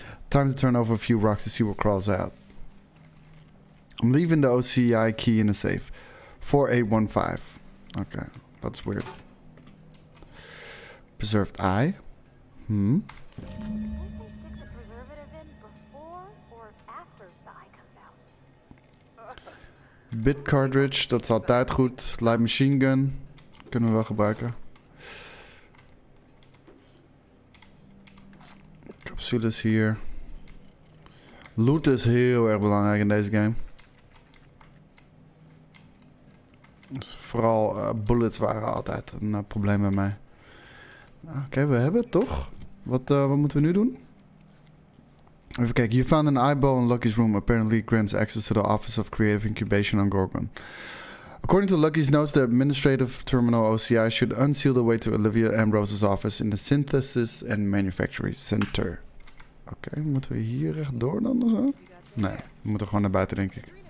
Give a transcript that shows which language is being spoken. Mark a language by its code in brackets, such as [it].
[en] Time to turn over a few rocks to see what crawls out. I'm leaving the OCI key in the safe. 4815. Okay. That's weird. Preserved eye? Don't they stick the preservative in before or after the eye comes out? [nl] Bit cartridge, dat is altijd goed. Light machine gun. Kunnen we wel gebruiken. Capsules hier. Loot is heel erg belangrijk in deze game. Dus vooral bullets waren altijd een probleem bij mij. Nou, oké, we hebben het toch? Wat moeten we nu doen? Even kijken. [en] You found an eyeball in Lucky's room. Apparently grants access to the Office of Creative Incubation on Gorgon. According to Lucky's notes, the administrative terminal OCI should unseal the way to Olivia Ambrose's office in the Synthesis and Manufacturing Center. [nl] Oké, moeten we hier rechtdoor dan of zo? Nee, we moeten gewoon naar buiten, denk ik.